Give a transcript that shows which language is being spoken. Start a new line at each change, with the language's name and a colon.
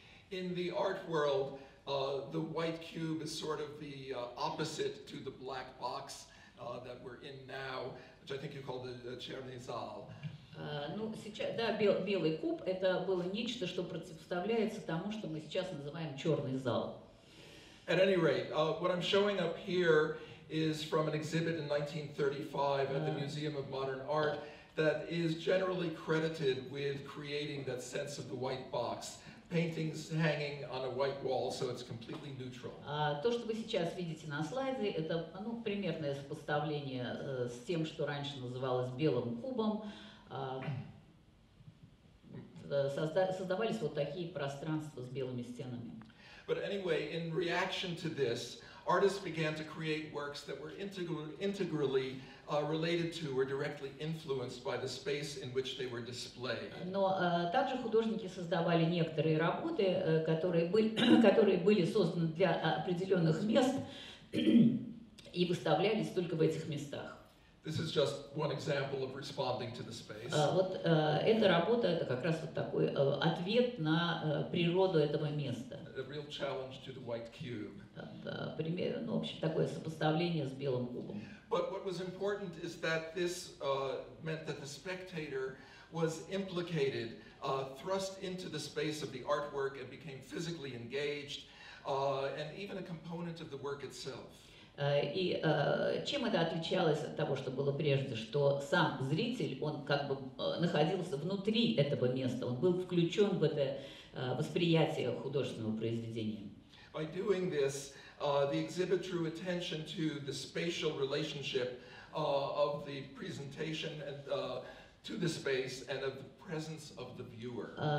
English: In the art world, the white cube is sort of the opposite to the black box that we're in now, which I think you call the
Russian: черный зал. Ну, сейчас, да, белый куб – это было нечто, что противопоставляется тому, что мы сейчас называем черный зал.
English: At any rate, what I'm showing up here is from an exhibit in 1935 at the Museum of Modern Art that is generally credited with creating that sense of the white box. Paintings hanging on a white wall, so it's completely neutral.
Russian: То, что вы сейчас видите на слайде, это, ну, примерное сопоставление с тем, что раньше называлось белым кубом. Создавались вот такие пространства с белыми стенами.
English: But anyway, in reaction to this, artists began to create works that were integrally related to or directly influenced by the space in which they were displayed.
Russian: Но также художники создавали некоторые работы, которые были созданы для определенных мест и выставлялись только в этих местах.
English: This is just one example of responding to the space.
Russian: Вот эта работа – это как раз вот такой ответ на природу этого места.
English: A real challenge to the white cube.
Russian: Примерно, ну, в общем, такое сопоставление с белым кубом.
English: But what was important is that this meant that the spectator was implicated, thrust into the space of the artwork and became physically engaged, and even a component of the work itself.
Russian: И чем это отличалось от того, что было прежде, что сам зритель, он как бы находился внутри этого места, он был включен в это восприятие художественного произведения.
English: By doing this, the exhibit drew attention to the spatial relationship of the presentation and, to the space and of the presence of the viewer.